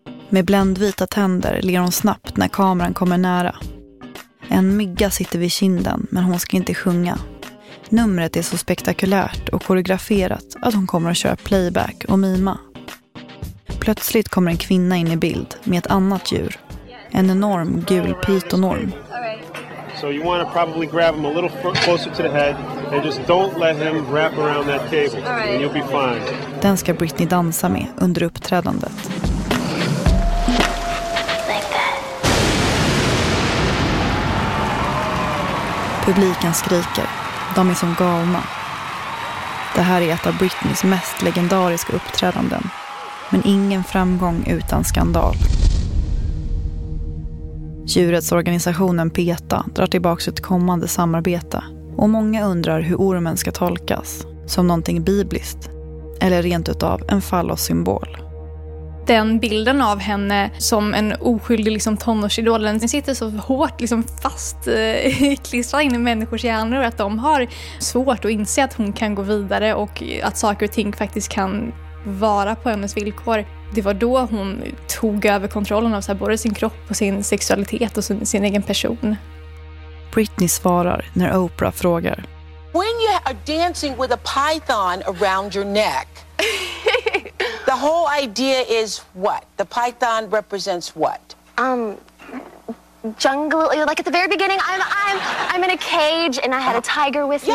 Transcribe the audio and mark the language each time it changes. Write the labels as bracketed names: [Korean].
[Swedish] Med bländvita tänder ler hon snabbt när kameran kommer nära. En mygga sitter vid kinden, men hon ska inte sjunga. Numret är så spektakulärt och koreograferat att hon kommer att köra playback och mima. Plötsligt kommer en kvinna in i bild med ett annat djur. En enorm gul pytonorm. [English] So you want to probably grab him a little closer to the head and just don't let him wrap around that table and you'll be fine. [Swedish] Den ska Britney dansa med under uppträdandet. [English] Like that. [Swedish] Publiken skriker. De är som galna. Det här är ett av Britneys mest legendariska uppträdanden. Men ingen framgång utan skandal. Djurrättsorganisationen PETA drar tillbaka sitt kommande samarbete och många undrar hur ormen ska tolkas, som någonting bibliskt eller rent utav en fallossymbol. Den bilden av henne som en oskyldig liksom, tonårsidol, den sitter så hårt liksom, fast klistrad in i människors hjärnor att de har svårt att inse att hon kan gå vidare och att saker och ting faktiskt kan vara på hennes villkor. Det var då hon tog över kontrollen av både sin kropp och sin sexualitet och sin egen person. Britney svarar när Oprah frågar. [English] When you are dancing with a python around your neck, the whole idea is what? The python represents what? Jungle, like at the very beginning, I'm in a cage and I had a tiger with me.